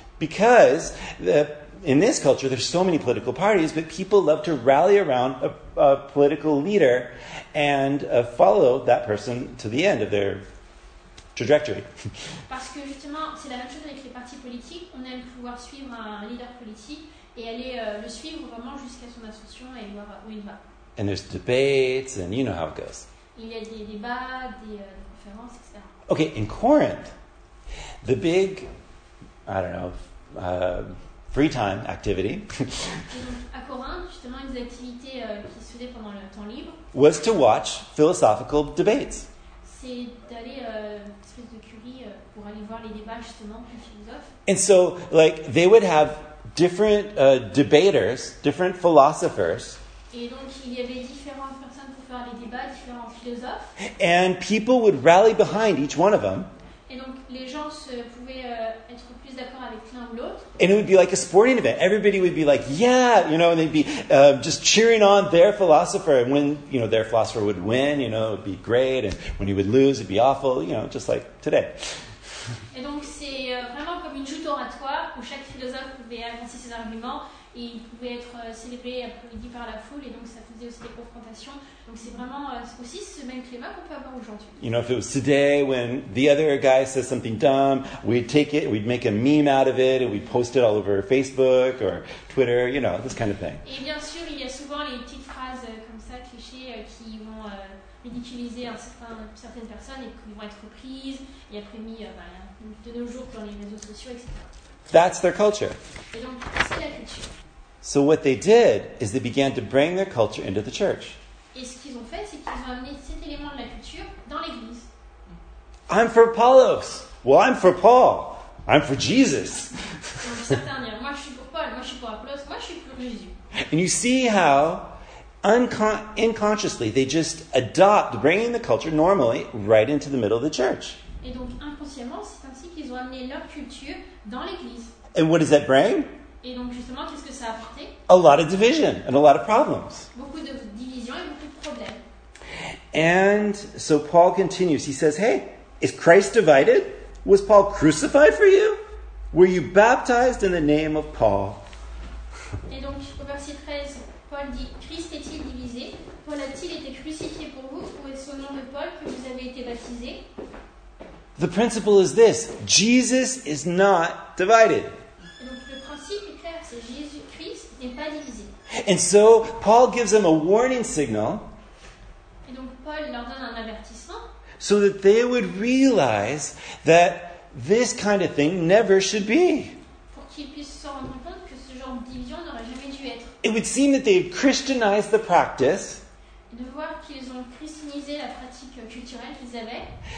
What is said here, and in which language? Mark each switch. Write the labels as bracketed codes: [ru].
[en] Because in this culture, there's so many political parties, but people love to rally around a political leader and follow that person to the end of their trajectory. [fr] Parce que justement, c'est la même chose avec les partis politiques. On aime pouvoir suivre un leader politique et aller le suivre vraiment jusqu'à son ascension et voir où il va. [en] And there's debates, and you know how it goes. [fr] Il y a des débats, des conférences, etc. [en] Okay, in Corinth, the big, I don't know, free time activity. [fr] À Corinth, justement, une des activités qui se faisait pendant le temps libre. [en] Was to watch philosophical debates. [fr] C'est d'aller espèce de curie pour aller voir les débats justement des philosophes. [en] And so, like, they would have different debaters, different philosophers. [fr] Et donc, il y avait différentes personnes pour faire les débats, différents philosophes. [en] And people would rally behind each one of them. [fr] Et donc, les gens pouvaient être plus d'accord avec l'un ou l'autre. [en] And it would be like a sporting event. Everybody would be like, yeah, you know, and they'd be just cheering on their philosopher. And when, you know, their philosopher would win, you know, it would be great. And when he would lose, it'd be awful, you know, just like today. [fr] Et donc, c'est vraiment comme une joute oratoire où chaque philosophe pouvait avancer ses arguments. Et il pouvait être célébré après-midi par la foule, et donc ça faisait aussi des confrontations. Donc c'est vraiment aussi ce même climat qu'on peut avoir aujourd'hui. [en] You know, if it was today, when the other guy says something dumb, we'd take it, we'd make a meme out of it, and we'd post it all over Facebook or Twitter, you know, this kind of thing. [fr] Et bien sûr, il y a souvent les petites phrases comme ça, clichés, qui vont ridiculiser certaines personnes et qu'ils vont être reprises et après mis de nos jours dans les réseaux sociaux, etc. [en] That's their culture. [fr] Et donc, c'est la culture. [en] So what they did is they began to bring their culture into the church. [fr] Et ce qu'ils ont fait, c'est qu'ils ont amené cet élément de la culture dans l'église. [en] I'm for Apollos. Well, I'm for Paul. I'm for Jesus. [fr] Moi, je suis pour Paul. Moi, je suis pour Apollos. Moi, je suis pour Jésus. [en] And you see how unconsciously they just adopt bringing the culture normally right into the middle of the church. [fr] Et donc, inconsciemment, c'est ainsi qu'ils ont amené leur culture dans l'église. [en] And what does that bring? [fr] Et donc, justement, qu'est-ce que ça a apporté? [en] A lot of division and a lot of problems. [fr] Beaucoup de division et beaucoup de problèmes. [en] And so Paul continues. He says, hey, is Christ divided? Was Paul crucified for you? Were you baptized in the name of Paul? [fr] Et donc, au verset 13, Paul dit, Christ est-il divisé? Paul a-t-il été crucifié pour vous? Ou est-ce au nom de Paul que vous avez été baptisé? [en] The principle is this. Jesus is not divided. [fr] Et donc, le principe est clair. C'est Jésus Christ n'est pas divisé. [en] And so, Paul gives them a warning signal. [fr] Et donc, Paul leur donne un avertissement. [en] So that they would realize that this kind of thing never should be. [fr] Pour qu'ils puissent se rendre compte que ce genre de division n'aurait jamais dû être. [en] It would seem that they've Christianized the practice. [fr] De voir qu'ils ont christianisé la pratique culturelle qu'ils avaient.